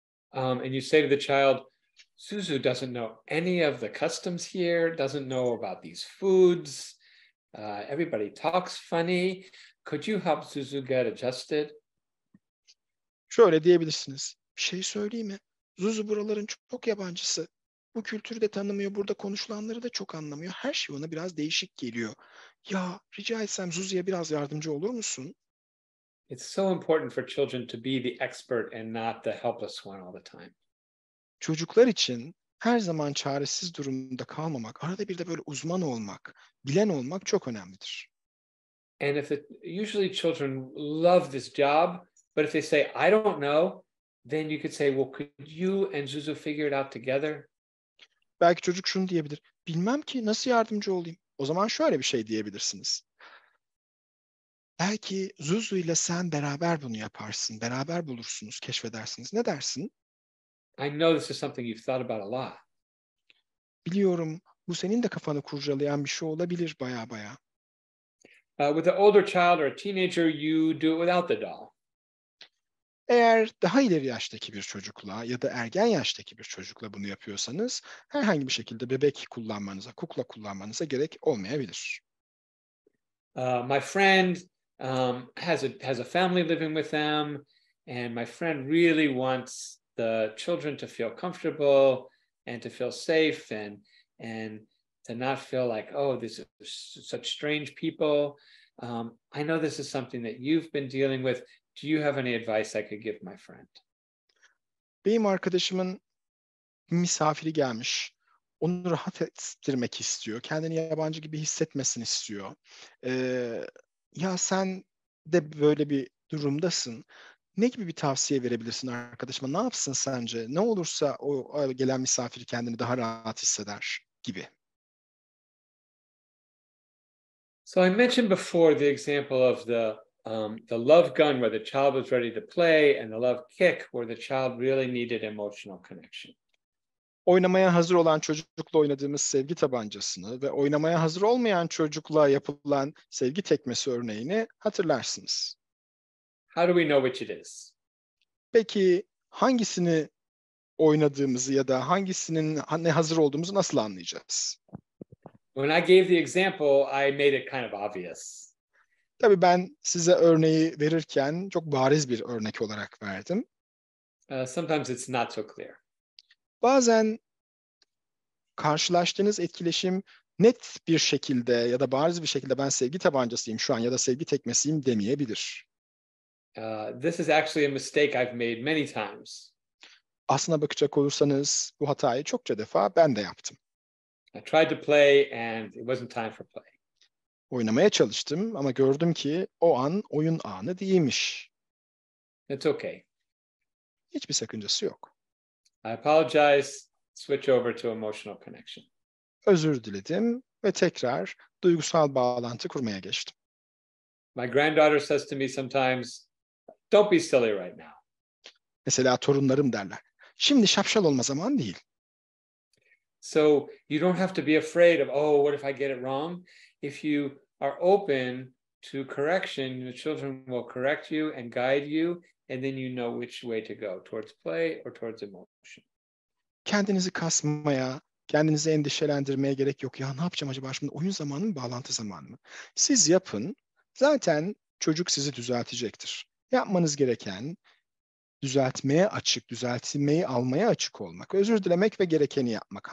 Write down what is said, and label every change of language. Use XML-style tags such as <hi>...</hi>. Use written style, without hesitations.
<en>And you say to the child, Zuzu doesn't know any of the customs here, doesn't know about these foods. Everybody talks funny. Could you help Zuzu get adjusted?</en> <tr>Şöyle diyebilirsiniz. Bir şey söyleyeyim mi? Zuzu buraların çok yabancısı. Bu kültürü de tanımıyor, burada konuşulanları da çok anlamıyor. Her şey ona biraz değişik geliyor. Ya rica etsem Zuzu'ya biraz yardımcı olur musun?</tr> <en>It's so important for children to be the expert and not the helpless one all the time.</en> <tr>Çocuklar için her zaman çaresiz durumda kalmamak, arada bir de böyle uzman olmak, bilen olmak çok önemlidir.</tr> <en>And if usually children love this job, but if they say I don't know, then you could say, well, could you and Zuzu figure it out together?</en> <tr>Belki çocuk şunu diyebilir. Bilmem ki nasıl yardımcı olayım. O zaman şöyle bir şey diyebilirsiniz. Belki Zuzu ile sen beraber bunu yaparsın, beraber bulursunuz, keşfedersiniz. Ne dersin?</tr> <en>I know this is something you've thought about a lot.</en> <tr>Biliyorum, bu senin de kafanı kurcalayan bir şey olabilir baya baya.</tr> <en>With an older child or a teenager, you do it without the doll.</en> <tr>Eğer daha ileri yaştaki bir çocukla ya da ergen yaştaki bir çocukla bunu yapıyorsanız, herhangi bir şekilde bebek kullanmanıza, kukla kullanmanıza gerek olmayabilir.</tr> <en>My friend has a family living with them, and my friend really wants the children to feel comfortable and to feel safe and to not feel like, oh, this is such strange people. I know this is something that you've been dealing with. Do you have any advice I could give my friend?</en> <tr>Benim arkadaşımın misafiri gelmiş. Onu rahat ettirmek istiyor. Kendini yabancı gibi hissetmesin istiyor. Ya sen de böyle bir durumdasın. Ne gibi bir tavsiye verebilirsin arkadaşıma? Ne yapsın sence? Ne olursa o gelen misafiri kendini daha rahat hisseder gibi.</tr> <en>So I mentioned before the example of the love gun where the child was ready to play and the love kick where the child really needed emotional connection.</en> <tr>Oynamaya hazır olan çocukla oynadığımız sevgi tabancasını ve oynamaya hazır olmayan çocukla yapılan sevgi tekmesi örneğini hatırlarsınız.</tr> <en>How do we know which it is?</en> <tr>Peki hangisini oynadığımızı ya da hangisinin ne hazır olduğumuzu nasıl anlayacağız?</tr> <en>When I gave the example, I made it kind of obvious.</en> <tr>Tabii ben size örneği verirken çok bariz bir örnek olarak verdim.</tr> <en>Sometimes it's not so clear.</en> <tr>Bazen karşılaştığınız etkileşim net bir şekilde ya da bariz bir şekilde ben sevgi tabancasıyım şu an ya da sevgi tekmesiyim demeyebilir.</tr> <en>This is actually a mistake I've made many times.</en> <tr>Aslına bakacak olursanız bu hatayı çokça defa ben de yaptım.</tr> <en>I tried to play and it wasn't time for play.</en> <tr>Oynamaya çalıştım ama gördüm ki o an oyun anı değilmiş.</tr> <en>It's okay.</en> <tr>Hiçbir sakıncası yok.</tr> <en>I apologize. Switch over to emotional connection.</en> <tr>Özür diledim ve tekrar duygusal bağlantı kurmaya geçtim.</tr> <en>My granddaughter says to me sometimes, "Don't be silly right now."</en> <tr>Mesela torunlarım derler. Şimdi şapşal olma zaman değil.</tr> <en>So you don't have to be afraid of, oh, what if I get it wrong? If you are open to correction, the children will correct you and guide you, and then you know which way to go, towards play or towards emotion.</en> <tr>Kendinizi kasmaya, kendinizi endişelendirmeye gerek yok. Ya ne yapacağım acaba? Şimdi oyun zamanı mı, bağlantı zamanı mı? Siz yapın. Zaten çocuk sizi düzeltecektir. Yapmanız gereken düzeltmeye açık, düzeltmeyi almaya açık olmak, özür dilemek ve gerekeni yapmak.</tr>